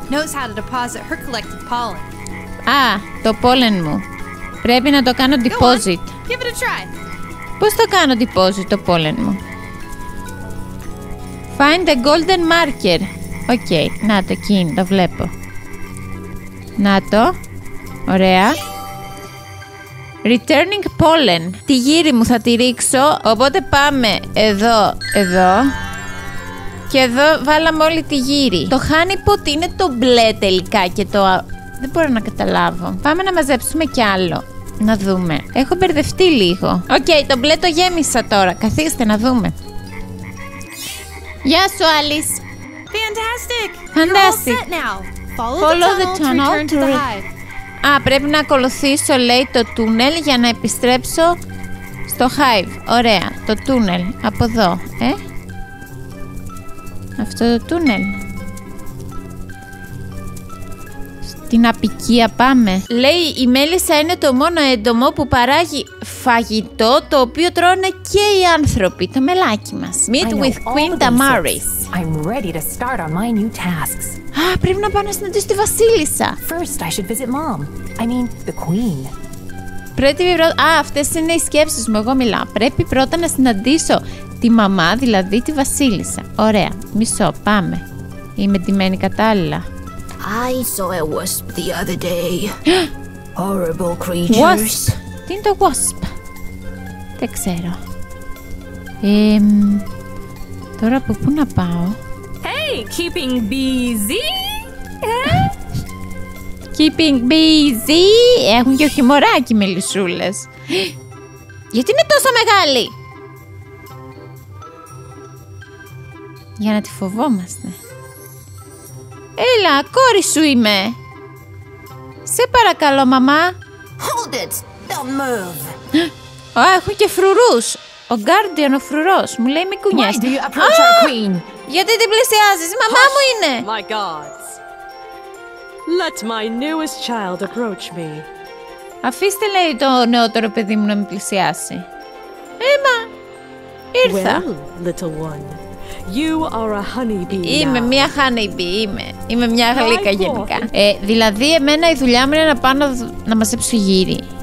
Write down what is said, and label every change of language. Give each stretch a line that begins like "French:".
English: Knows how to deposit her collected pollen.
Greek: Α, το πόλεν μου. Πρέπει να το κάνω deposit.
English: Give it a try.
Greek: Πώς το κάνω deposit το πόλεν μου?
English: Find the golden marker. Okay,
Greek: να το εκεί, το βλέπω. Να το. Ωραία.
English: Returning pollen.
Greek: Τη γύρι μου θα τη ρίξω. Οπότε πάμε εδώ, εδώ. Και εδώ βάλαμε όλη τη γύρι. Το honey pot είναι το μπλε τελικά και το Δεν μπορώ να καταλάβω. Πάμε να μαζέψουμε κι άλλο. Να δούμε. Έχω μπερδευτεί λίγο. Οκ, το μπλε το γέμισα τώρα. Καθίστε να δούμε. Γεια σου, Άλις.
English: Fantastic. Fantastic. Follow the tunnel to the hive.
Greek: Α, πρέπει να ακολουθήσω, λέει, το τούνελ για να επιστρέψω στο hive. Ωραία. Το τούνελ. Από εδώ, ε. Αυτό το τούνελ. Στην απικία πάμε. Λέει, η μέλισσα είναι το μόνο έντομο που παράγει φαγητό το οποίο τρώνε και οι άνθρωποι, το μελάκι μας.
English: Meet with Queen Damaris. I'm ready to start on my new tasks.
Greek: Α, πρέπει να πάω να συναντήσω τη βασίλισσα.
English: First, I should visit mom. I mean, the queen.
Greek: Πρέπει πρώτα... Α, αυτές είναι οι σκέψεις μου, εγώ μιλάω. Πρέπει πρώτα να συναντήσω τη μαμά, δηλαδή τη βασίλισσα. Ωραία, μισό, πάμε. Είμαι ντυμένη κατάλληλα.
English: I saw a wasp the other day. Horrible creatures. Wasp.
Greek: Τι είναι το wasp? Δεν ξέρω. Τώρα από πού να πάω?
English: Hey, keeping busy? Keeping busy.
Greek: Έχουν και χιμωράκι μελισσούλες. Γιατί είναι τόσο μεγάλη? Για να τη φοβόμαστε. Έλα, κόρη σου είμαι. Σε παρακαλώ, μαμά.
English: Hold it, don't move.
Greek: Α, έχουν και φρουρούς. Ο Guardian, ο φρουρός. Μου λέει μη κουνιάς.
English: Why do you approach our queen?
Greek: Γιατί την πλησιάζεις, μαμά
English: Hush,
Greek: μου είναι.
English: My guards. Let my newest child approach me.
Greek: Αφήστε, λέει, το νεότερο παιδί μου να με πλησιάσει. Έμα, ήρθα.
English: Well, little one. You are a honeybee now.
Greek: Είμαι μια honeybee, είμαι. Είμαι μια γλύκα γενικά. Δηλαδή, εμένα η δουλειά μου είναι να πάω να μαζέψω γύρι.